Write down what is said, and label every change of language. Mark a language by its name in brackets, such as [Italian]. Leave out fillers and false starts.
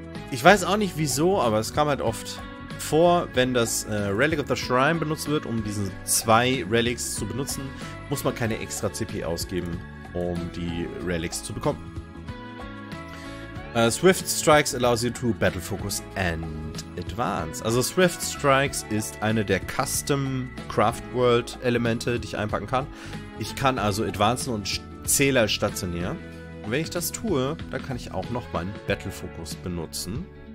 [German] Ich weiß auch nicht wieso, aber es kam halt oft vor, wenn das Relic of the Shrine benutzt wird, um diese zwei Relics zu benutzen, muss man keine extra CP ausgeben, um die Relics zu bekommen. [English] Swift Strikes allows you to battle focus and advance. [German] Also Swift Strikes ist eine der Custom Craft World Elemente, die ich einpacken kann. Ich kann also advancen und Zähler stationär. Und wenn ich das tue, dann kann ich auch noch meinen Battle Focus benutzen.